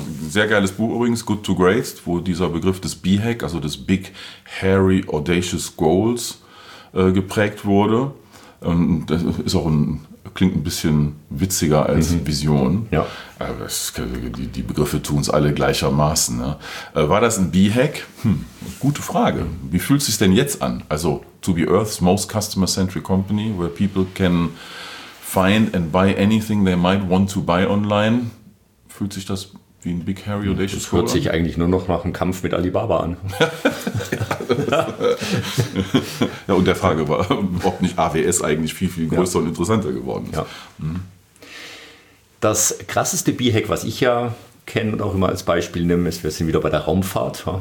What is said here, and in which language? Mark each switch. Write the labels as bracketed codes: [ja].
[de] Sehr geiles Buch übrigens, Good to Great, wo dieser Begriff des B-Hack, also des Big Hairy Audacious Goals, geprägt wurde. Das ist auch klingt ein bisschen witziger als Vision. Ja. Die Begriffe tun es alle gleichermaßen. Ne? War das ein B-Hack? Gute Frage. Wie fühlt es sich denn jetzt an? [en] Also, to be Earth's most customer-centric company, where people can find and buy anything they might want to buy online. [de] Fühlt sich das wie ein Big Hairy Audacious Goal an? Hört sich eigentlich nur noch nach einem Kampf mit Alibaba an. Ja, und der Frage war, ob nicht AWS eigentlich viel, viel größer und interessanter geworden ist. Ja. Das krasseste B-Hack, was ich ja kenne und auch immer als Beispiel nehme, ist, wir sind wieder bei der Raumfahrt.